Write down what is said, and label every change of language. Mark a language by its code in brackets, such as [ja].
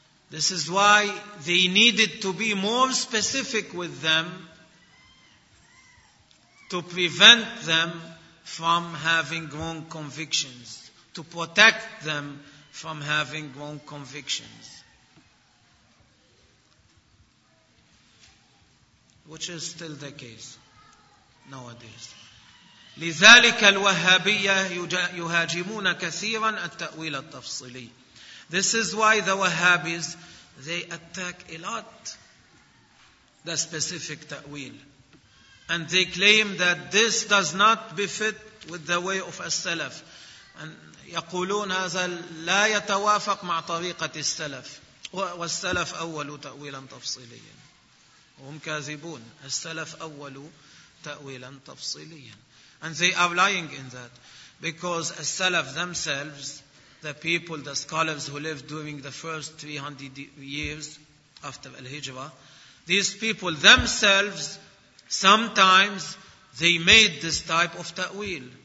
[en] This is why they needed to be more specific with them to prevent them from having wrong convictions, to protect them from having wrong convictions. Which is still the case nowadays. [ar] لذلك الوهابية يهاجمون كثيرا التأويل التفصيلي. [en] This is why the Wahhabis, they attack a lot the specific ta'wil. And they claim that this does not befit with the way of as-salaf. [ar] يقولون هذا لا يتوافق مع طريقة السلف، والسلف أول تأويلا تفصيليا، هم كاذبون. السلف أول تأويلا تفصيليا، [en] and they are lying in that because السلف themselves, the people, the scholars who lived during the first 300 years after Al-Hijrah, these people themselves, sometimes they made this type of ta'wil.